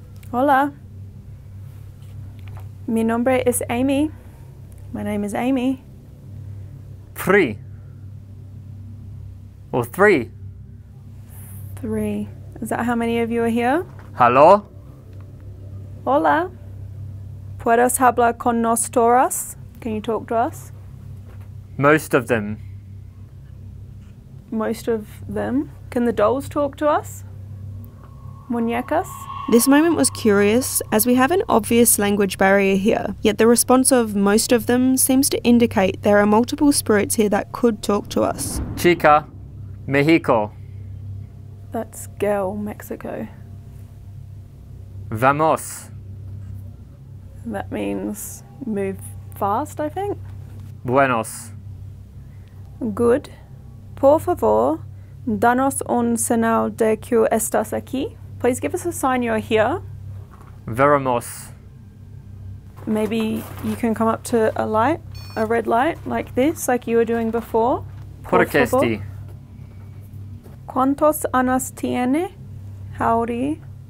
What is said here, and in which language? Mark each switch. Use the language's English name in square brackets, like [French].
[Spanish] Hola. Mi nombre es Amy. [English] My name is Amy. Three. Or three. Three. Is that how many of you are here? Hello. [Spanish] Hola. ¿Puedes hablar con nosotros? [English] Can you talk to us? Most of them. Most of them? Can the dolls talk to us? Muñecas? This moment was curious, as we have an obvious language barrier here, yet the response of most of them seems to indicate there are multiple spirits here that could talk to us. [Spanish] Chica, Mexico. [English] That's girl, Mexico. [Spanish] Vamos. [English] That means move fast, I think. [Spanish] Buenos. Good. Por favor. Danos un señal de que estás aquí. [English] Please give us a sign you're here. [Spanish] Veremos. [English] Maybe you can come up to a light, a red light, like this, like you were doing before. [Spanish] Por qué esti? ¿Cuántos años tiene? [English] How old are you?